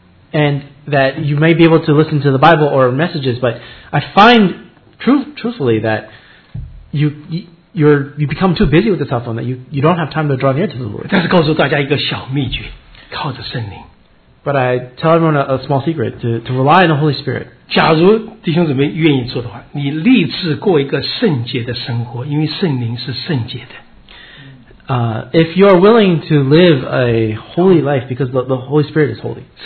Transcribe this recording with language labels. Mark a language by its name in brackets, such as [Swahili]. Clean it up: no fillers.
[English] And that you may be able to listen to the Bible or messages, but I find truthfully that you become too busy with the cell phone that you don't have time to draw near to the Lord. [Chinese] 但是告诉大家一个小秘诀, 靠着圣灵。 [English] But I tell everyone a small secret, to rely on the Holy Spirit. [Chinese] 假如弟兄姊妹愿意做的话, 你立志过一个圣洁的生活, 因为圣灵是圣洁的。 [English] If you are willing to live a holy life, because the Holy Spirit is holy.